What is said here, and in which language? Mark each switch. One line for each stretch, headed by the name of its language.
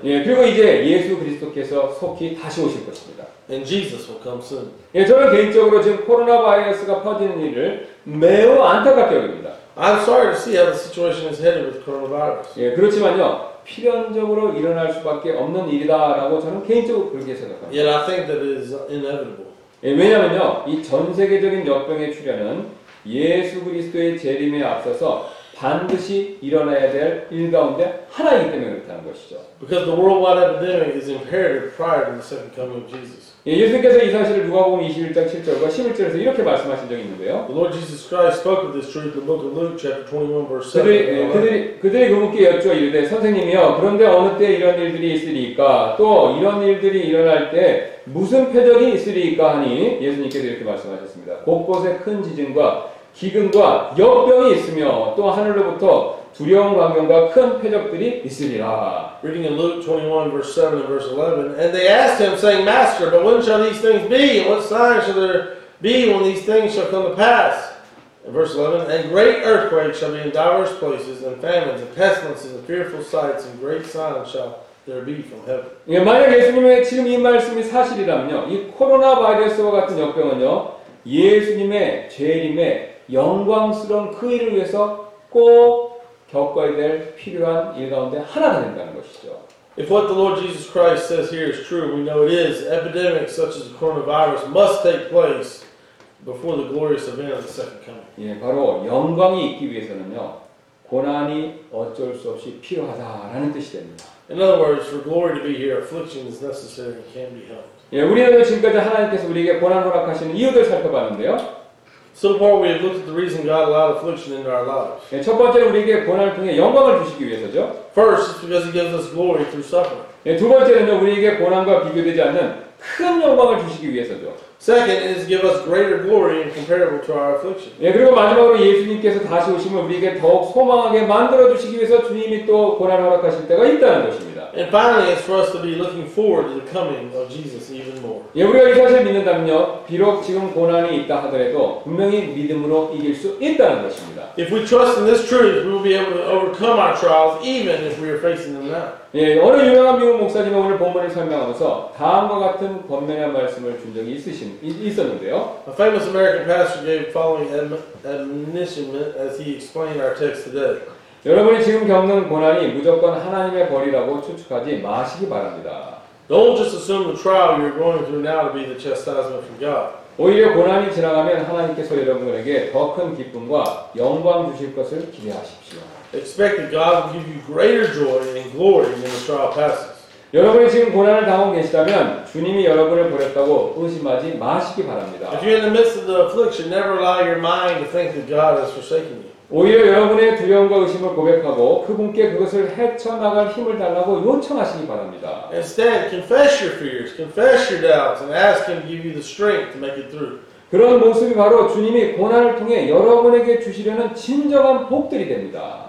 Korean: 예, 그리고 이제 예수 그리스도께서 속히 다시 오실 것입니다.
English: And Jesus will come soon.
Korean: 예, 저는 개인적으로 지금 코로나 바이러스가 퍼지는 일을 매우 안타깝게 여깁니다.
English: I'm sorry to see how the situation is headed with coronavirus.
Korean: 예, 그렇지만요, 필연적으로 일어날 수밖에 없는 일이다라고 저는 개인적으로 그렇게 생각합니다.
English: Yet I think that it is inevitable.
Korean: 예, 왜냐면요, 이 전 세계적인 역병의 출현은 예수 그리스도의 재림에 앞서서 반드시 일어나야 될 일 가운데 하나이기 때문에 그렇다는 것이죠.
English: Because the worldwide epidemic is imperative prior to the second coming of Jesus.
Korean: 예, 예수님께서 이 사실을 누가복음 21장 7절과 11절에서 이렇게 말씀하신 적이 있는데요.
English: The Lord Jesus Christ spoke of this truth in the book of Luke chapter 21 verse 7.
Korean: 그들이 그분께 여쭈어 이르되 선생님이여 그런데 어느 때 이런 일들이 있으리까 또 이런 일들이 일어날 때 무슨 표적이 있으리까 하니 예수님께서 이렇게 말씀하셨습니다. 곳곳에 큰 지진과 기근과 역병이 있으며 또 하늘로부터 두려운 광경과 큰 표적들이 있으리라.
English: Reading in Luke 21 verse 7 and verse 11, and they asked him, saying, Master, but when shall these things be? What sign shall there be when these things shall come to pass? In verse 11, and great earthquakes shall be in diverse places, and famines, and pestilences, and fearful sights, and great signs shall there be from heaven.
Korean: 예, 만약 예수님의 지금 이 말씀이 사실이라면요, 이 코로나 바이러스와 같은 역병은요, 예수님의 재림에 영광스러운 그 일을 위해서 꼭 겪어야 될 필요한 일 가운데 하나가 된다는 것이죠.
English: If what the Lord Jesus Christ says here is true, we know it is. Epidemics such as the coronavirus must take place before the glorious event of the second coming.
Korean: 예, 바로 영광이 있기 위해서는요, 고난이 어쩔 수 없이 필요하다라는 뜻이 됩니다.
English: In other words, for glory to be here, affliction is necessary and can be helped.
Korean: 예, 우리는 지금까지 하나님께서 우리에게 고난 허락하시는 이유들 살펴봤는데요.
English: So far, we have looked at the reason God allowed affliction into our lives.
Korean: 예, 첫 번째는 우리에게 고난을 통해 영광을 주시기 위해서죠.
English: First, it's because He gives us glory through suffering.
Korean: 예, 두 번째는요, 우리에게 고난과 비교되지 않는 큰 영광을 주시기 위해서죠.
English: Second, it is to give us greater glory and comparable to our affliction.
Korean: 예, 그리고 마지막으로 예수님께서 다시 오시면 우리에게 더욱 소망하게 만들어 주시기 위해서 주님이 또 고난 허락하실 때가 있다는 것입니다.
English: And finally, it's for us to be looking forward to the coming of Jesus even more.
Korean: 예, 우리가 이 사실을 믿는다면요, 비록 지금 고난이 있다 하더라도 분명히 믿음으로 이길 수 있다는 것입니다.
English: If we trust in this truth, we will be able to overcome our trials even if we are facing them now.
Korean: 예, 어느 유명한 미국 목사님은 오늘 본문을 설명하면서 다음과 같은 권면의 말씀을 준 적이 있었는데요.
English: A famous American pastor gave following admonishment as he explained our text today.
Korean: 여러분이 지금 겪는 고난이 무조건 하나님의 벌이라고 추측하지 마시기 바랍니다.
English: Don't just assume the trial you're going through now to be the chastisement from God.
Korean: 오히려 고난이 지나가면 하나님께서 여러분에게 더 큰 기쁨과 영광 주실 것을 기대하십시오.
English: Expect that God will give you greater joy and glory when the trial passes.
Korean: 여러분이 지금 고난을 당하고 계시다면 주님이 여러분을 버렸다고 의심하지 마시기 바랍니다.
English: If you're in the midst of the affliction, never allow your mind to think that God has forsaken you.
Korean: 오히려 여러분의 두려움과 의심을 고백하고 그분께 그것을 헤쳐나갈 힘을 달라고 요청하시기 바랍니다.
English: Instead, confess your fears, confess your doubts, and ask Him to give you the strength to make it through.
Korean: 그런 모습이 바로 주님이 고난을 통해 여러분에게 주시려는 진정한 복들이 됩니다.